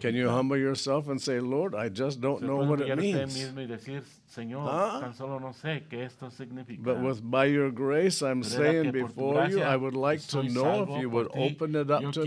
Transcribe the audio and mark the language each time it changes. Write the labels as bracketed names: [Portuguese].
[English] Can you humble yourself and say, Lord, I just don't know what it means? [Spanish] Se puede humillarse mismo y decir, Señor, tan solo no sé qué esto significa. [English] But with by your grace, I'm saying before you, I would like to know if you would open it up to me.